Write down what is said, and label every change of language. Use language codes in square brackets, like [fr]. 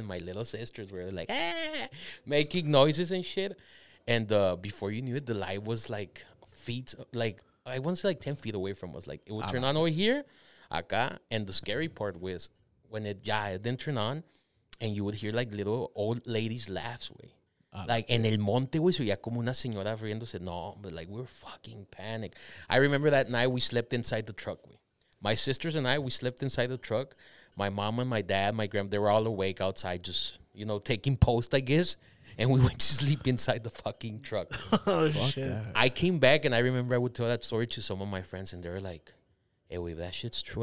[en] And my little sisters were like, ah, making noises and shit. And before you knew it, the light was like feet, like, I want to say like 10 feet away from us. Like, it would turn on over here, acá. And the scary part was when it, yeah, it didn't turn on. And you would hear, like, little old ladies' laughs, way. [es] Like, en el monte, güey, se veía como una señora riéndose. [en] No, but, like, we were fucking panicked. I remember that night we slept inside the truck, güey. My sisters and I, we slept inside the truck. My mom and my dad, my grandma, they were all awake outside just, you know, taking post, I guess. And we went to sleep inside the fucking truck. Oh, fuck shit. That. I came back, and I remember I would tell that story to some of my friends, and they were like, hey, wait, that shit's true.